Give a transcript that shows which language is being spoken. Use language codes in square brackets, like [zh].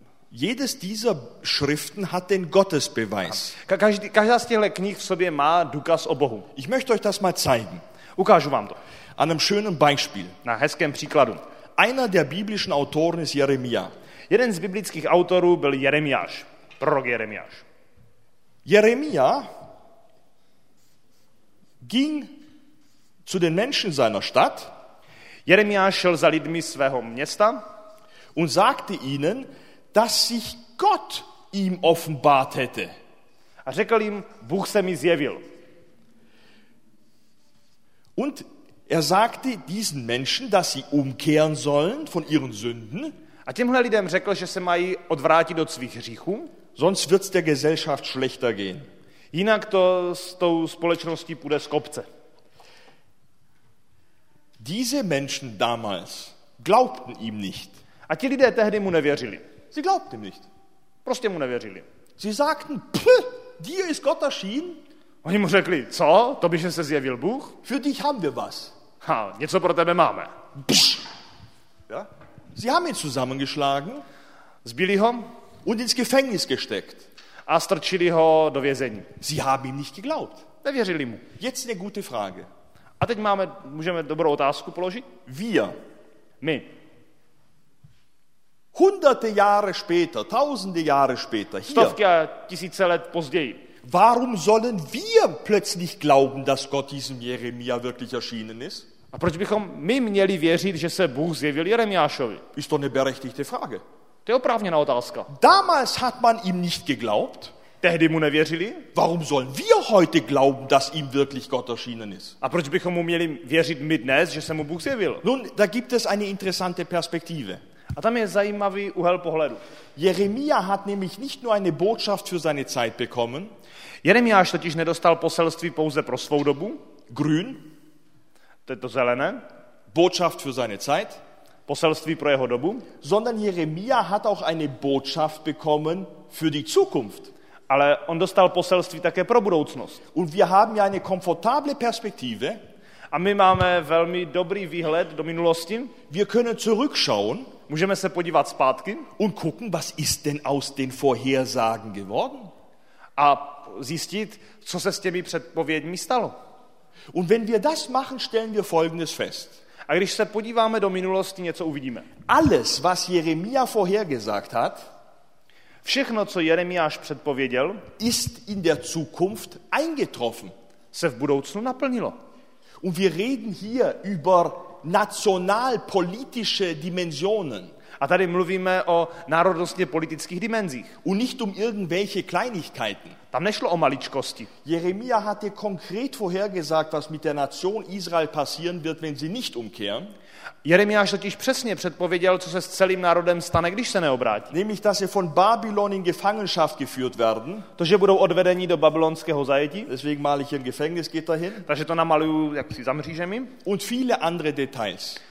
[de] Jedes dieser Schriften hat den Gottesbeweis. [cs] Každá z těchto knih v sobě má důkaz o Bohu. [de] Ich möchte euch das mal zeigen. [cs] Ukážu vám to. [de] An einem schönen Beispiel. [cs] Na hezkém příkladu. [de] Einer der biblischen Autoren ist Jeremia. [cs] Jeden z biblických autorů byl Jeremiáš, prorok Jeremiáš. [de] Jeremia ging zu den Menschen seiner Stadt. [cs] Jeremiáš šel za lidmi svého města [de] und sagte ihnen, dass sich Gott ihm offenbart hätte. [cs] A řekl jim, Bůh se mi zjevil. [de] Und er sagte diesen Menschen, dass sie umkehren sollen von ihren Sünden. [cs] A těmhle lidem řekl, že se mají odvrátit od svých hříchů. [de] Sonst wird's der Gesellschaft schlechter gehen. [cs] Jinak to s tou společností půjde z kopce. [de] Diese Menschen damals glaubten ihm nicht. [cs] A ti lidé tehdy mu nevěřili. [de] Sie glaubten ihm nicht. [cs] Prostě mu nevěřili. [de] Sie sagten, dir ist Gott erschienen. [cs] Oni mu řekli, co? Tobě že se zjevil Bůh? [de] Für dich haben wir was. [cs] Ha, něco pro tebe máme. [de] Ja? Sie haben ihn zusammengeschlagen. [cs] Zbili ho [de] und ins Gefängnis gesteckt. [cs] A strčili ho do vězení. [de] Sie haben ihm nicht geglaubt. [cs] Nevěřili mu. [de] Jetzt eine gute Frage. [cs] A teď máme, můžeme dobrou otázku položit? [de] Wir. [cs] My. [de] Hunderte Jahre später, tausende Jahre später, hier. [cs] Stovky a tisíce let později. [de] Warum sollen wir plötzlich glauben, dass Gott diesem Jeremia wirklich erschienen ist? [cs] A proč bychom my měli věřit, že se Bůh zjevil Jeremiášovi? [de] Ist doch eine berechtigte Frage. [cs] To je oprávněná otázka. [de] Damals hat man ihm nicht geglaubt. [cs] Tehdy mu nevěřili. [de] Warum sollen wir heute glauben, dass ihm wirklich Gott erschienen ist? [cs] A proč bychom mu měli věřit my dnes, že se mu Bůh zjevil? [de] Nun, da gibt es eine interessante Perspektive. [cs] A tam je zajímavý úhel pohledu. [de] Jeremia hat nämlich nicht nur eine Botschaft für seine Zeit bekommen. [cs] Jeremiáš totiž nedostal poselství pouze pro svou dobu. [de] Grün. [cs] To je to zelené. [de] Botschaft für seine Zeit. [cs] Poselství pro jeho dobu. [de] Sondern Jeremia hat auch eine Botschaft bekommen für die Zukunft. [cs] Ale on dostal poselství také pro budoucnost. [de] Und wir haben ja eine komfortable Perspektive. [cs] A my máme velmi dobrý výhled do minulosti. [de] Wir können zurückschauen. [cs] Můžeme se podívat zpátky. [de] Und gucken, was ist denn aus den Vorhersagen geworden? [cs] A zjistit, co se s těmi předpověďmi stalo. [de] Und wenn wir das machen, stellen wir folgendes fest. [cs] A když se podíváme do minulosti, něco uvidíme. [de] Alles, was Jeremia vorhergesagt hat, [cs] všechno, co Jeremiáš předpověděl, [de] ist in der Zukunft eingetroffen. [cs] Se v budoucnu naplnilo. [de] Und wir reden hier über nationalpolitische Dimensionen. [cs] A tady mluvíme o národnostně politických dimenzích. [de] Und nicht um irgendwelche Kleinigkeiten. [cs] Tam nešlo o maličkosti. [de] Jeremia hatte konkret vorhergesagt, was mit der Nation Israel passieren wird, wenn sie nicht umkehren. [cs] Jeremiáš totiž přesně předpověděl, co se s celým národem stane, když se neobrátí. [de] Nämlich, dass sie von Babylon in Gefangenschaft geführt werden. [cs] To, že budou odvedeni do babylonského zajetí. [de] Deswegen male ich ein Gefängnisgitter hin. [cs] Takže to namaluju jaksi za mřížemi. [de] Und viele andere Details.